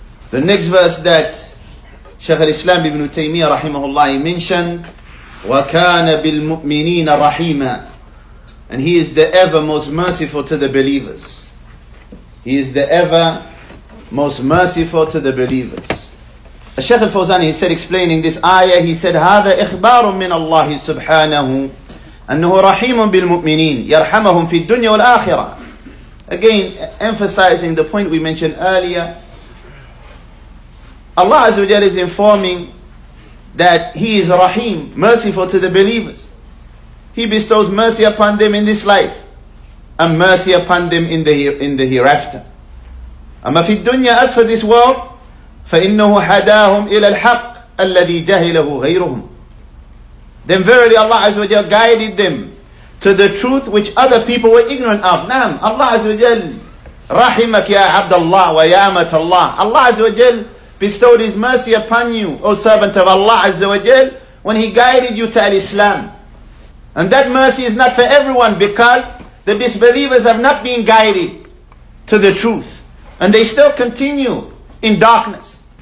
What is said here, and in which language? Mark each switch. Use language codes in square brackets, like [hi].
[en] The next verse that Shaykh al-Islam ibn Taymiyyah rahimahullah he mentioned, [ar] وَكَانَ بِالْمُؤْمِنِينَ رَحِيمًا. [en] And He is the ever most merciful to the believers. He is the ever most merciful to the believers. Shaykh al-Fawzani, he said, explaining this ayah, he said, [ar] هَذَا إِخْبَارٌ مِّنَ اللَّهِ سُبْحَانَهُ أَنَّهُ رَحِيمٌ بِالْمُؤْمِنِينَ يَرْحَمَهُمْ فِي الدُّنْيَا وَالْآخِرَةِ. [en] Again, emphasizing the point we mentioned earlier, Allah Azza wa Jalla is informing that He is Rahim, merciful to the believers. He bestows mercy upon them in this life and mercy upon them in the hereafter. [ar] أَمَّا فِي الدُّنْيَا [en] as for this world, [ar] فَإِنَّهُ حَدَاهُمْ إِلَى الْحَقِّ الَّذِي جَهِلَهُ غَيْرُهُمْ. [en] Then verily Allah Azza wa Jal guided them to the truth which other people were ignorant of. [ar] Naam, Allah Azza wa Jal رحمك يا عبد الله ويا أمة الله. [en] Allah Azza wa Jal bestowed His mercy upon you, O servant of Allah Azza wa Jal, when He guided you to Al-Islam. And that mercy is not for everyone because the disbelievers have not been guided to the truth. And they still continue in darkness.